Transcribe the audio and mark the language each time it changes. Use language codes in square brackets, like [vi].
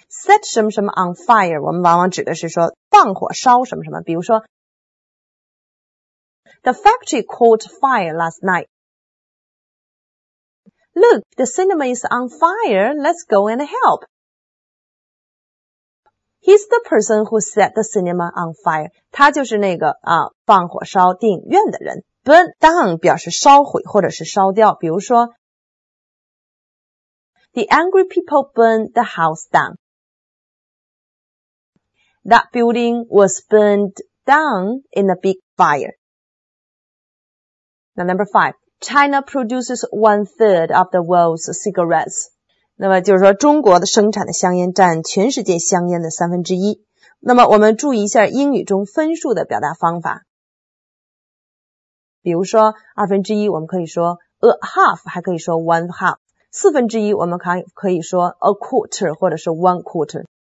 [zh] Set 什么什么 on fire, 我们往往指的是说放火烧什么什么比如说 [en] The factory caught fire last night. Look, the cinema is on fire. Let's go and help. He's the person who set the cinema on fire. [zh] 他就是那个放火烧电影院的人。 Burn down 表示烧毁或者是烧掉。比如说 [en] The angry people burned the house down. That building was burned down in a big fire. Now, number 5. China produces one-third of the world's cigarettes. [zh] 那么就是说中国的生产的香烟占全世界香烟的三分之一。那么我们注意一下英语中分数的表达方法。比如说二分之一我们可以说 a half, 还可以说 one half。四分之一我们可以说 a quarter 或者是 one quarter。